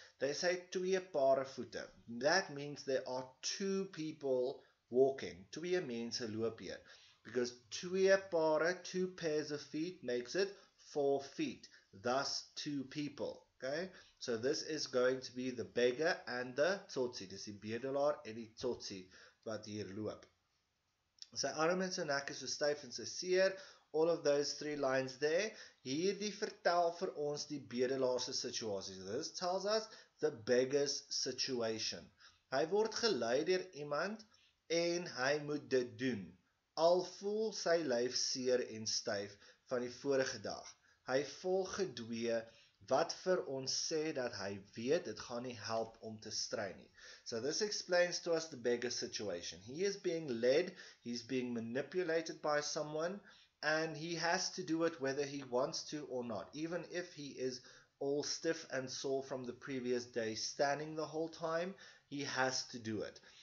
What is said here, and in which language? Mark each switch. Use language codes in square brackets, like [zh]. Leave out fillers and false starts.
[en] They say, [af] twee pare voete. [en] That means there are two people walking. Twee means a loopier. Because [af] twee pare, [en] two pairs of feet, makes it 4 feet. Thus, two people. Okay? So this is going to be the beggar and the tsotsi. [af] Dis die bedelaar en die tsotsi wat hier loop. Sy arm en sy nek is so styf en sy seer. [en] All of those three lines there. [af] Hierdie vertel vir ons die bedelaar se situasie. [en] This tells us the beggar's situation. [af] Hy word gelei deur iemand en hy moet dit doen. Al voel sy lyf seer en styf van die vorige dag. Hy volg gedwee wat vir ons sê dat hy weet dit gaan nie help om te stry nie. [en] So this explains to us the beggar's situation. He is being led, he's being manipulated by someone, and he has to do it whether he wants to or not. Even if he is all stiff and sore from the previous day standing the whole time, he has to do it.